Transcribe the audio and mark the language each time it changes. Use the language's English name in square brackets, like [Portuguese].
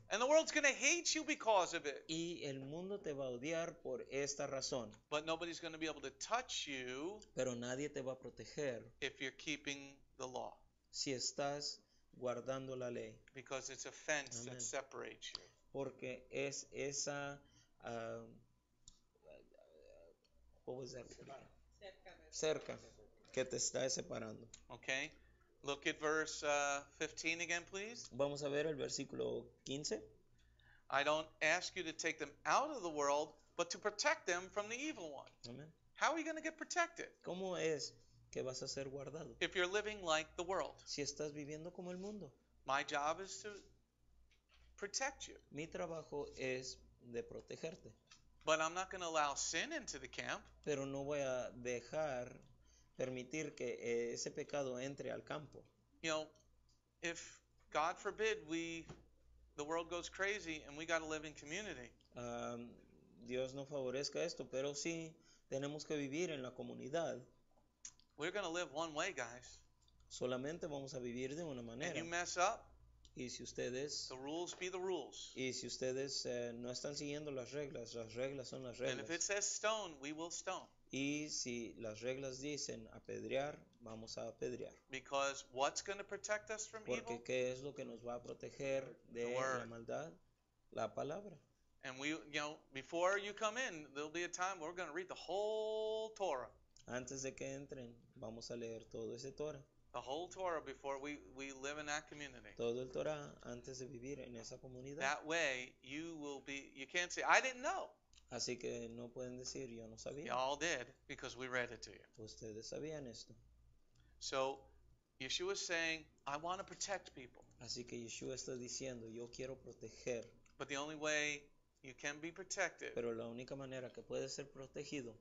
[English] And the world's going to hate you because of it. [Spanish] Y el mundo te va a odiar por esta razón. [English] But nobody's going to be able to touch you. [Spanish] Pero nadie te va a proteger. [English] If you're keeping the law. [Spanish] Si estás guardando la ley. [English] Because it's a fence. Amen. That separates you. [Spanish] Porque es esa [English] what was that? [Spanish] Cerca que te está separando. [English] Okay. Look at verse 15 again, please. [Spanish] Vamos a ver el versículo 15. [English] I don't ask you to take them out of the world, but to protect them from the evil one. Amen. How are you going to get protected? [Spanish] ¿Cómo es que vas a ser guardado? [English] If you're living like the world. [Spanish] Si estás viviendo como el mundo. [English] My job is to protect you. [Spanish] Mi trabajo es de protegerte. [English] But I'm not going to allow sin into the camp. [Spanish] Pero no voy a dejar permitir que ese pecado entre al campo. [English] You know, if God forbid the world goes crazy and we got to live in community. [Spanish] Dios no favorezca esto, pero sí tenemos que vivir en la comunidad. [English] We're going to live one way, guys. [Spanish] Solamente vamos a vivir de una manera. [English] And you mess up. [Spanish] Y si ustedes, [English] the rules be the rules. [Spanish] Y si ustedes no están siguiendo las reglas son las reglas. [English] And if it says stone, we will stone. [Spanish] Y si las reglas dicen apedrear, vamos a apedrear. [English] Because what's going to protect us from [Spanish] Porque [English] evil? [Spanish] ¿Qué es lo que nos va a proteger de la maldad? La palabra. [English] And we, you know, before you come in, there'll be a time where we're going to read the whole Torah. [Spanish] Antes de que entren, vamos a leer todo ese Torah. [English] The whole Torah before we live in that community. [Spanish] Todo el Torah antes de vivir en esa comunidad. [English] That way you will be, you can't say, I didn't know. [Spanish] Así que no pueden decir, yo no sabía. [English] You all did because we read it to you. [Spanish] Ustedes sabían esto. [English] So Yeshua is saying, I want to protect people. [Spanish] Así que Yeshua está diciendo, yo quiero proteger. [English] But the only way you can be protected. [Spanish] Pero la única manera que puede ser protegido